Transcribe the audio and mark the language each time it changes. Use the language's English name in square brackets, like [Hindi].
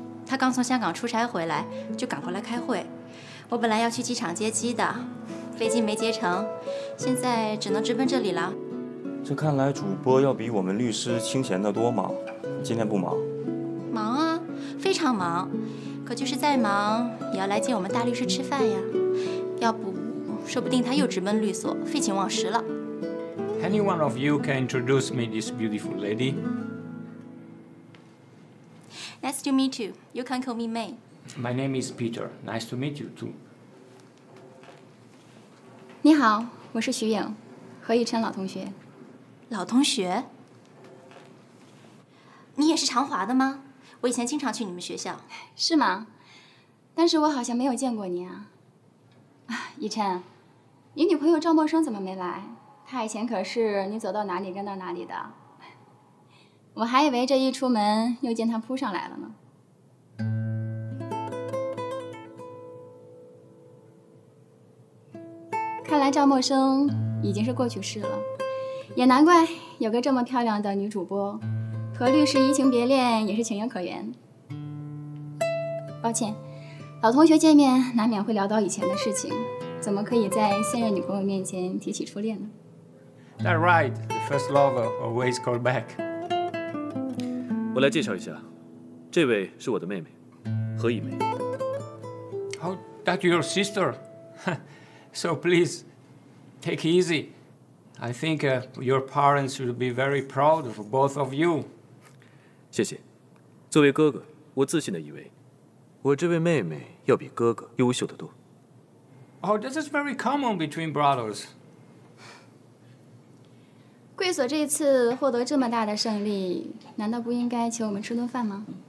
[Chinese] 他刚从香港出差回来，就赶过来开会。我本来要去机场接机的，飞机没接成，现在只能直奔这里了。这看来主播要比我们律师清闲得多嘛。今天不忙？忙啊，非常忙。可就是再忙也要来见我们大律师吃饭呀，要不说不定他又直奔律所废寝忘食了。 [English] Any one of you can introduce me this beautiful lady? Nice to meet you. You can call me May. My name is Peter. Nice to meet you too. [Chinese] 你好，我是徐颖，何以琛老同学。老同学，你也是长华的吗？我以前经常去你们学校。是吗？但是我好像没有见过你啊。以琛，你女朋友赵默笙怎么没来？她以前可是你走到哪里跟到哪里的。我还以为这一出门又见她扑上来了呢。看来赵默笙已经是过去式了。也难怪有个这么漂亮的女主播，和律师移情别恋也是情有可原。抱歉，老同学见面难免会聊到以前的事情，怎么可以在现任女朋友面前提起初恋呢？ [English] That's right, the first lover always call back. [Chinese] 我来介绍一下，这位是我的妹妹，何以梅。 [English] Oh, that's your sister. So please, take easy. I think your parents should be very proud of both of you. [Chinese] 谢谢。作为哥哥，我自信地以为我这位妹妹要比哥哥优秀得多。 [English] Oh, this is very common between brothers. [Chinese] 贵所这次获得这么大的胜利，难道不应该请我们吃顿饭吗？